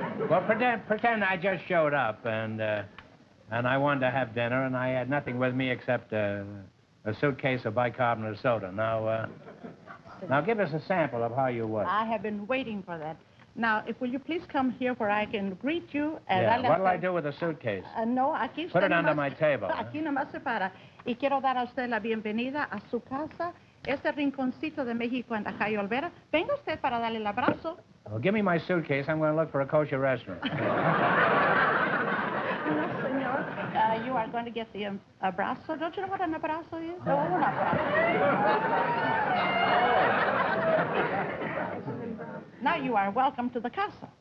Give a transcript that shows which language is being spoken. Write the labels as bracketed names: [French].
[English] Well, pretend I just showed up and I wanted to have dinner and I had nothing with me except a suitcase of bicarbonate soda. Now give us a sample of how you work. I have been waiting for that. Now, if will you please come here where I can greet you? What'll I do with a suitcase? [Spanish] No, aquí está. [English] Put it under my table. [Spanish] Aquí no más se para. Y quiero dar a usted la bienvenida a su casa, este rinconcito de México en la calle Olvera. Venga usted para darle el abrazo. [English] Well, give me my suitcase. I'm going to look for a kosher restaurant. [Spanish] No, señor. [English] You are going to get the abrazo. Don't you know what an abrazo is? [Spanish] No, un abrazo. [English] Now you are welcome to the casa.